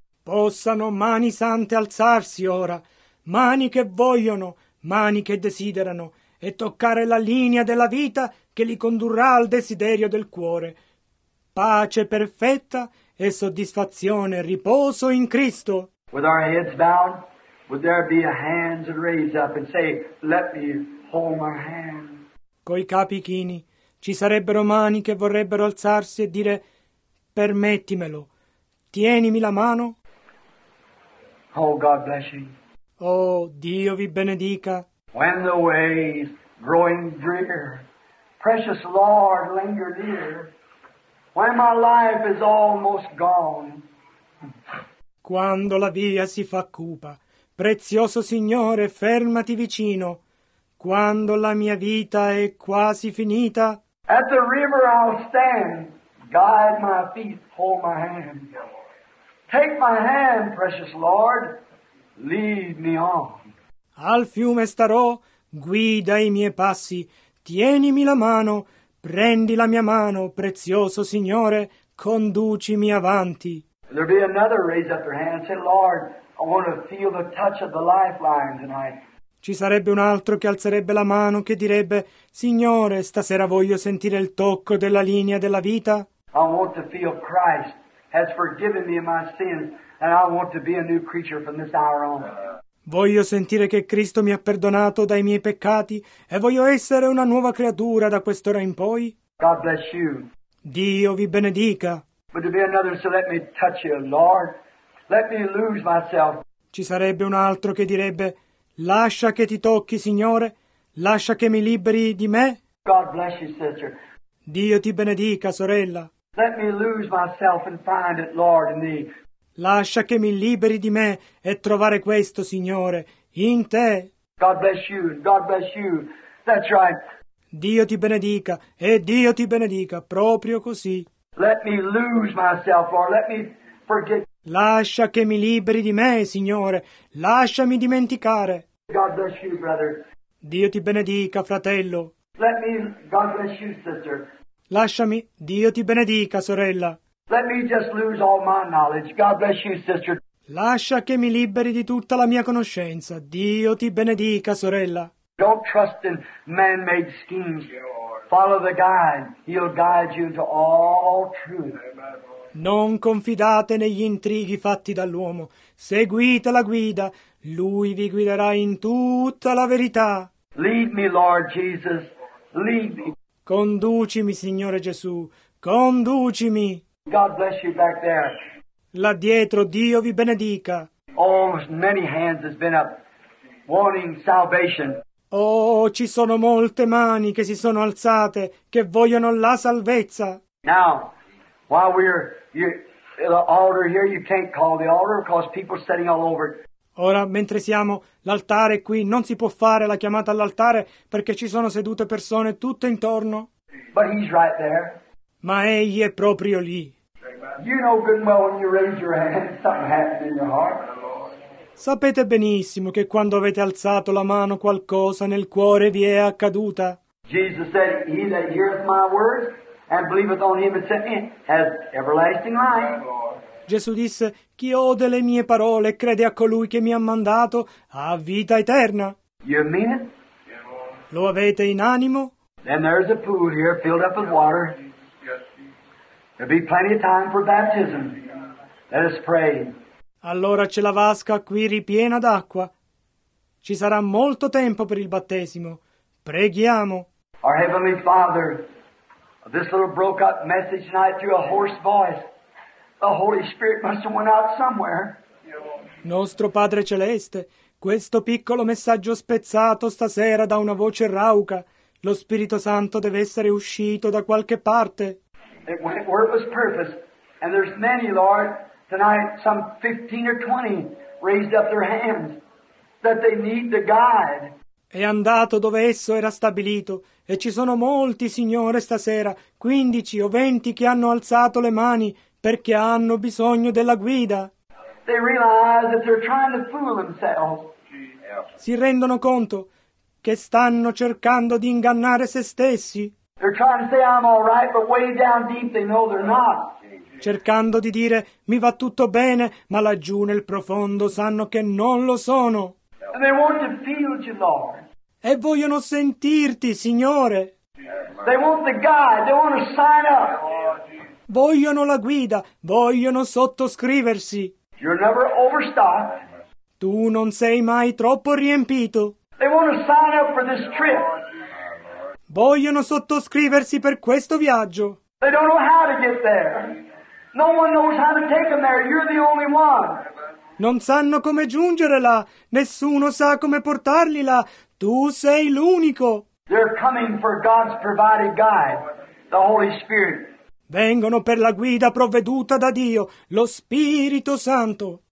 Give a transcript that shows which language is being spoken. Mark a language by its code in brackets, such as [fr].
[it] Possano mani sante alzarsi ora, mani che vogliono, mani che desiderano, e toccare la linea della vita che li condurrà al desiderio del cuore. Pace perfetta e soddisfazione e riposo in Cristo. [en] With our heads bowed, would there be a hands raised up and say, let me hold my hand? [it] Coi capi chini, ci sarebbero mani che vorrebbero alzarsi e dire, permettimelo, tienimi la mano. [en] Oh, God bless you. [it] Oh, Dio vi benedica. [en] When the way's growing drear, precious Lord, linger near. When my life is almost gone. [it] Quando la via si fa cupa, prezioso Signore, fermati vicino. Quando la mia vita è quasi finita. [en] At the river I'll stand, guide my feet, hold my hand. Take my hand, precious Lord, lead me on. [it] Al fiume starò, guida i miei passi, tienimi la mano, prendi la mia mano, prezioso Signore, conducimi avanti. [en] There be another raise up your hand, say, Lord, I want to feel the touch of the lifeline tonight. [it] Ci sarebbe un altro che alzerebbe la mano che direbbe, Signore, stasera voglio sentire il tocco della linea della vita. [en] I want to feel Christ has forgiven me of my sins and I want to be a new creature from this hour on. [it] Voglio sentire che Cristo mi ha perdonato dai miei peccati e voglio essere una nuova creatura da quest'ora in poi. [en] God bless you. [it] Dio vi benedica. [en] But to be another, so let me touch you, Lord. Let me lose myself. [it] Ci sarebbe un altro che direbbe, lascia che ti tocchi, Signore. Lascia che mi liberi di me. [en] God bless you, sister. [it] Dio ti benedica, sorella. [en] Let me lose myself and find it, Lord, in thee. [it] Lascia che mi liberi di me e trovare questo, Signore, in te. [en] God bless you, God bless you. That's right. [it] Dio ti benedica, e Dio ti benedica, proprio così. [en] Let me lose myself, Lord. Let me forget. [it] Lascia che mi liberi di me, Signore. Lasciami dimenticare. [en] God bless you, brother. [it] Dio ti benedica, fratello. [en] Let me, God bless you, sister. [it] Lasciami, Dio ti benedica, sorella. [en] Let me just lose all my knowledge. God bless you, sister. [it] Lascia che mi liberi di tutta la mia conoscenza. Dio ti benedica, sorella. [en] Don't trust in man-made schemes. Follow the guide. He'll guide you to all truth. [it] Non confidate negli intrighi fatti dall'uomo. Seguite la guida. Lui vi guiderà in tutta la verità. [en] Lead me, Lord Jesus. Lead me. [it] Conducimi, Signore Gesù. Conducimi. [en] God bless you back there. [it] Là dietro, Dio vi benedica. [en] Oh, many hands has been up, wanting salvation. [it] Oh, ci sono molte mani che si sono alzate, che vogliono la salvezza. [en] Now, while we're the altar here, you can't call the altar because people are sitting all over it. [it] Ora, mentre siamo, l'altare qui non si può fare la chiamata all'altare perché ci sono sedute persone tutte intorno. [en] But he's right there. [it] Ma egli è proprio lì. [en] You know good and well when you raise your hand, something happens in your heart. [it] Sapete benissimo che quando avete alzato la mano qualcosa nel cuore vi è accaduta. [en] Jesus said, he that heareth my words and believeth on him that sent me has everlasting life. [it] Gesù disse, chi ode le mie parole e crede a colui che mi ha mandato ha vita eterna. [en] You mean it? [it] Lo avete in animo? [en] Then there's a pool here filled up with water. There'll be plenty of time for baptism. Let us pray. [it] Allora c'è la vasca qui ripiena d'acqua. Ci sarà molto tempo per il battesimo. Preghiamo. [en] Our Heavenly Father, this little broke up message tonight through a hoarse voice. The Holy Spirit must have went out somewhere. [it] Nostro Padre Celeste, questo piccolo messaggio spezzato stasera da una voce rauca. Lo Spirito Santo deve essere uscito da qualche parte. [en] It went where it was purpose, and there's many, Lord, tonight, some 15 or 20 raised up their hands that they need the guide. [it] È andato dove esso era stabilito, e ci sono molti, Signore, stasera, 15 o 20 che hanno alzato le mani perché hanno bisogno della guida. [en] They realize that they're trying to fool themselves. [it] Si rendono conto che stanno cercando di ingannare se stessi. [en] They're trying to say I'm all right, but way down deep they know they're not. [it] Cercando di dire mi va tutto bene, ma laggiù nel profondo sanno che non lo sono. [en] And they want to feel you, Lord. [it] E vogliono sentirti, Signore. [en] They want the guide. They want to sign up. [it] Vogliono la guida. Vogliono sottoscriversi. [en] You're never overstocked. [it] Tu non sei mai troppo riempito. [en] They want to sign up for this trip. [it] Vogliono sottoscriversi per questo viaggio. [en] They don't know how to get there. No one knows how to take them there. You're the only one. [it] Non sanno come giungere là. Nessuno sa come portarli là. Tu sei l'unico. [en] They're coming for God's provided guide, the Holy Spirit. [it] Vengono per la guida provveduta da Dio, lo Spirito Santo.